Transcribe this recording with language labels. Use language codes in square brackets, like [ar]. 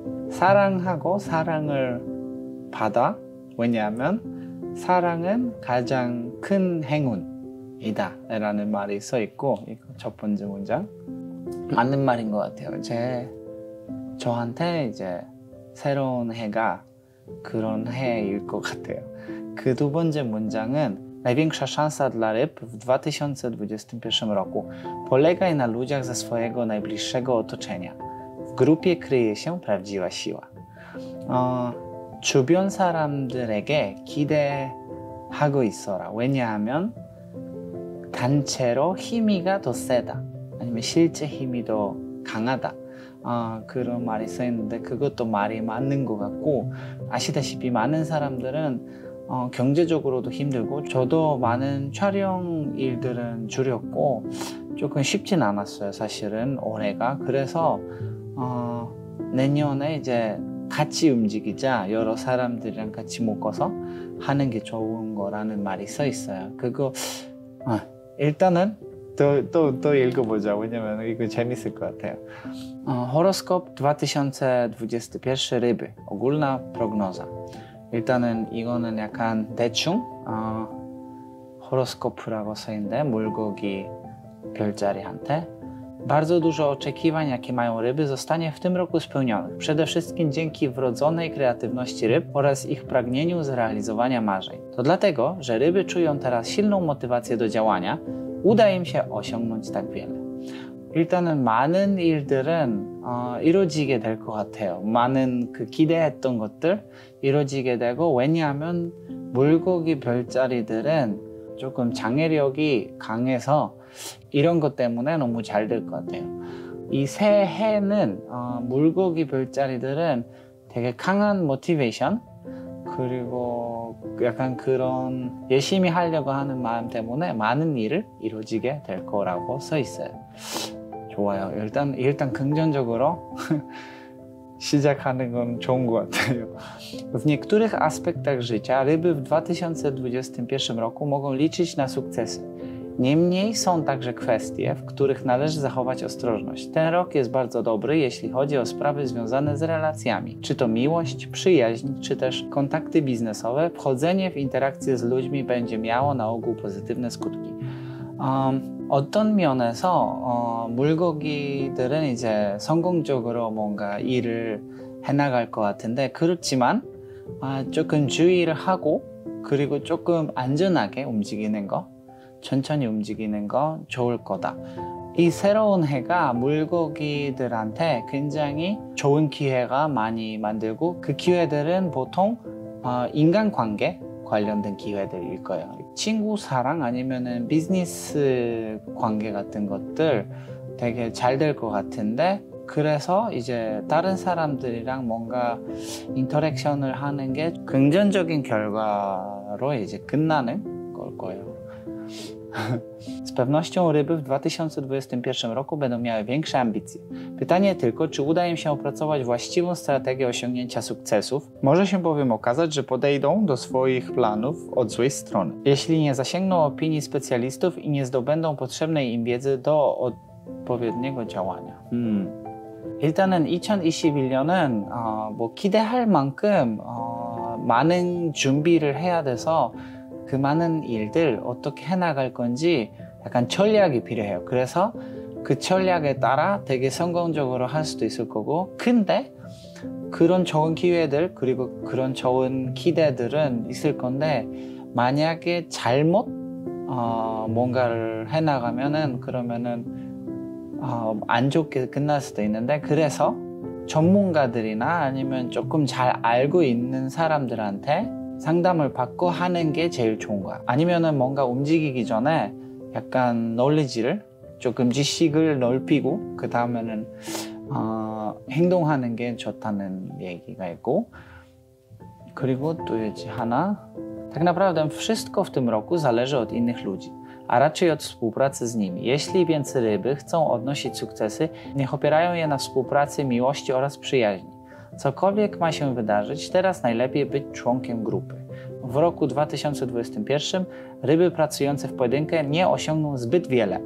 [ko] 사랑하고 사랑을 받아. 왜냐하면 사랑은 가장 큰 행운이다 라는 말이 써 있고 이거 첫 번째 문장 맞는 말인 것 같아요. 저한테 이제 새로운 해가 그런 해일 것 같아요. 그 두 번째 문장은 [pl] Największa szansa dla ryb w 2021 roku polegaj na ludziach ze swojego najbliższego otoczenia. W grupie kryje się prawdziwa siła. [ko] 주변 사람들에게 기대하고 있어라. 왜냐하면 단체로 힘이가 더 세다. 아니면 실제 힘이 더 강하다. 그런 말이 써있는데 그것도 말이 맞는 것 같고 아시다시피 많은 사람들은 경제적으로도 힘들고 저도 많은 촬영 일들은 줄였고 조금 쉽진 않았어요 사실은 올해가. 그래서 내년에 이제 같이 움직이자 여러 사람들이랑 같이 묶어서 하는 게 좋은 거라는 말이 써 있어요. 그거 일단은 또 읽어보자. 왜냐면 이거 재밌을 것 같아요. [pl] 호로스코프 2021 ryby ogólna prognoza. [ko] 일단은 이거는 약간 대충 호로스코프라고 써있는데 물고기 별자리한테 [pl] Bardzo dużo oczekiwań, jakie mają ryby, zostanie w tym roku spełnionych. Przede wszystkim dzięki wrodzonej kreatywności ryb oraz ich pragnieniu zrealizowania marzeń. To dlatego, że ryby czują teraz silną motywację do działania. Uda im się osiągnąć tak wiele. [ko] 일단은 많은 일들은 이루어지게 될 것 같아요. 많은 그 기대했던 것들 이루어지게 되고 왜냐하면 물고기 별자리들은 조금 장애력이 강해서 이런 것 때문에 너무 잘 될 것 같아요. 이 새해는 물고기 별자리들은 되게 강한 모티베이션 그리고 약간 그런 열심히 하려고 하는 마음 때문에 많은 일을 이루어지게 될 거라고 써 있어요. 좋아요. 일단 긍정적으로 시작하는 건 좋은 것 같아요. [pl] W niektórych aspektach życia ryby w 2021 roku mogą liczyć na sukcesy. Niemniej są także kwestie, w których należy zachować ostrożność. Ten rok jest bardzo dobry, jeśli chodzi o sprawy związane z relacjami. Czy to miłość, przyjaźń, czy też kontakty biznesowe, wchodzenie w interakcje z ludźmi będzie miało na ogół pozytywne skutki. [ko] 어떤 면에서 물고기들은 이제 성공적으로 뭔가 일을 해나갈 것 같은데 그렇지만 조금 주의를 하고 그리고 조금 안전하게 움직이는 거 천천히 움직이는 거 좋을 거다. 이 새로운 해가 물고기들한테 굉장히 좋은 기회가 많이 만들고 그 기회들은 보통 인간관계 관련된 기회들일 거예요. 친구 사랑 아니면은 비즈니스 관계 같은 것들 되게 잘 될 것 같은데 그래서 이제 다른 사람들이랑 뭔가 인터랙션을 하는 게 긍정적인 결과로 이제 끝나는 걸 거예요. [pl] Z pewnością ryby w 2021 roku będą miały większe ambicje. Pytanie tylko, czy uda im się opracować właściwą strategię osiągnięcia sukcesów. Może się bowiem okazać, że podejdą do swoich planów od złej strony. Jeśli nie zasięgną opinii specjalistów i nie zdobędą potrzebnej im wiedzy do odpowiedniego działania. [ko] 일단은 2021년은 뭐 기대할 만큼 많은 준비를 해야 돼서 그 많은 일들 어떻게 해나갈 건지 약간 전략이 필요해요. 그래서 그 전략에 따라 되게 성공적으로 할 수도 있을 거고 근데 그런 좋은 기회들 그리고 그런 좋은 기대들은 있을 건데 만약에 잘못 뭔가를 해나가면은 그러면은 안 좋게 끝날 수도 있는데 그래서 전문가들이나 아니면 조금 잘 알고 있는 사람들한테 상담을 받고 하는 게 제일 좋은 거야. 아니면은 뭔가 움직이기 전에 약간 knowledge를 조금 지식을 넓히고 그 다음에는 행동하는 게 좋다는 얘기가 있고 그리고 또 이제 하나 [pl] Tak naprawdę wszystko w tym roku zależy od innych ludzi. A raczej od współpracy z nimi. Jeśli więc ryby chcą odnosić sukcesy, niech opierają je na współpracy, miłości oraz przyjaźni. Cokolwiek ma się wydarzyć, teraz najlepiej być członkiem grupy. W roku 2021 ryby pracujące w pojedynkę nie osiągną zbyt wiele.